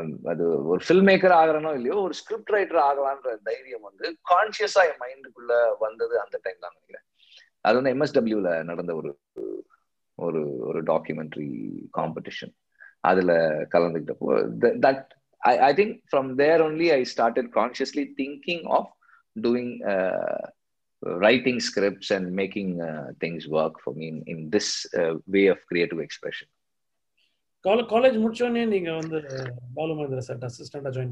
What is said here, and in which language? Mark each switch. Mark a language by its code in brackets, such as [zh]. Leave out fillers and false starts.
[ta] அது ஒரு film maker ஆகிறனோ இல்லையோ ஒரு ஸ்கிரிப்ட் ரைட்டர் ஆகலான்ற தைரியம் வந்து கான்சியஸா என் மைண்டுக்குள்ள வந்தது அந்த டைம் தான் நினைக்கிறேன். அது வந்து MSW நடந்த ஒரு ஒரு ஒரு டாக்குமெண்ட்ரி காம்படிஷன் அதில் கலந்துக்கிட்டப்போ [en] That I think from there only I started consciously thinking of doing writing scripts and making things work for me in this way of creative expression. [ta] College முடிச்சோனே நீங்க வந்து பாலு மகேந்திர சார் அசிஸ்டண்டா ஜாயின்